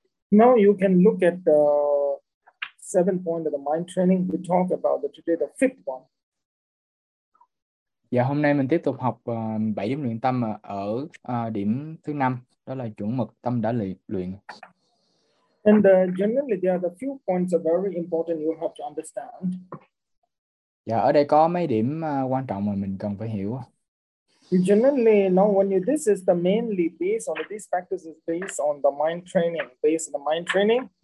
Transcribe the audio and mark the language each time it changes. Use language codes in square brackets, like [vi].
[en] Now you can look at the seventh point of the mind training. We talk about the today, the fifth one. [vi] Và hôm nay mình tiếp tục học 7 điểm luyện tâm ở điểm thứ 5, đó là chuẩn mực tâm đã luyện. [en] And generally there are the few points are very important you have to understand. [vi] Và ở đây có mấy điểm quan trọng mà mình cần phải hiểu. [en] Generally, now when you this is the mainly based on these factors is based on the mind training, based on the mind training.